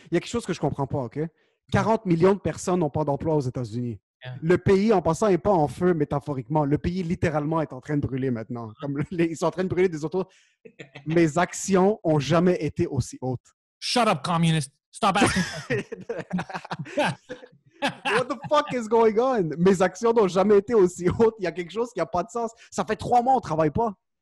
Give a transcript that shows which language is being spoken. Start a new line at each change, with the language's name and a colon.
French: Il y a quelque chose que je comprends pas, OK? 40 millions de personnes n'ont pas d'emploi aux États-Unis. Le pays, en passant, n'est pas en feu, métaphoriquement. Le pays, littéralement, est en train de brûler maintenant. Comme ils sont en train de brûler des autos. Mes actions ont jamais été aussi hautes.
English: Shut up, communist. Stop asking. What the fuck is going on?
French: Mes actions n'ont jamais été aussi hautes. Il y a quelque chose qui n'a pas de sens. Ça fait 3 mois qu'on ne travaille pas.